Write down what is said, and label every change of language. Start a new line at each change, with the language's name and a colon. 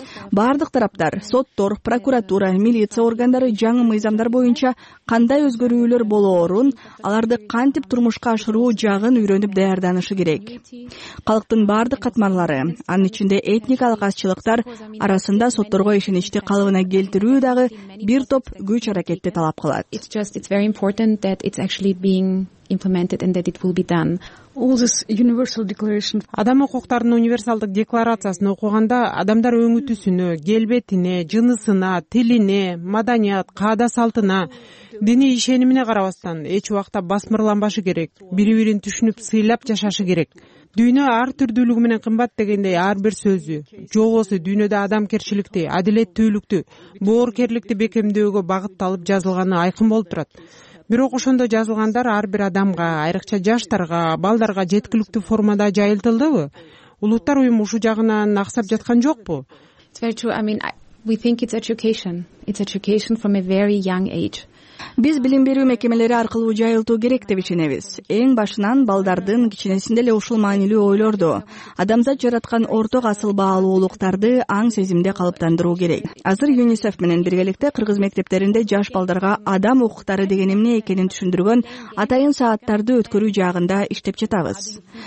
Kyrgyz: Бардык тараптар, соттор, прокуратура, милиция органдары жаңы мыйзамдар боюнча кандай өзгөрүүлөр болоорун, аларды кантип турмушка ашыруу жагын үйрөнүп даярданышы керек. Калктын бардык катмарлары, анын ичинде этникалык азчылыктар арасында сотторго ишеничти калыбына келтирүү дагы бир топ күч аракетти талап кылат.
English: Being implemented and that it will be done. All this universal declaration.
Kyrgyz: Адам укуктарынын универсалдык декларациясын окуганда адамдар өңүтүсүнө, келбетине, жынысына, тилине, маданият, каада салтына, диний ишенимине карабастан эч убакта басмырланбашы керек, бири-бирин түшүнүп сыйлап жашашы керек. Дүйнө ар түрдүүлүгү менен кымбат дегендей ар бир сөзү, жөө болсо дүйнөдө адамкерчиликти, адилеттүүлүктү, боорукерликти бекемдөөгө багытталып жазылганы айкын болуп турат. Бирок ошондо жазылгандар ар бир адамга, айрыкча жаштарга, балдарга жеткиликтүү формада жайылтылдыбы? Улуттар уюму ушу жагынан аксап жаткан жокпу?
English: It's very true. I mean, we think it's education. It's education from a very young age.
Kyrgyz: Биз билим берүү мекемелери аркылуу жайылтуу керек деп ичинебиз. Эң башынан балдардын кичинесинде эле ушул маанилүү ойлорду, адамзат жараткан ортог асыл баалуулуктарды аң сезимде калыптандыруу керек. Азыр ЮНИСЕФ менен биргеликте кыргыз мектептеринде жаш балдарга адам укуктары деген эмне экенин түшүндүргөн атайын сааттарды өткөрүү жагында иштеп жатабыз.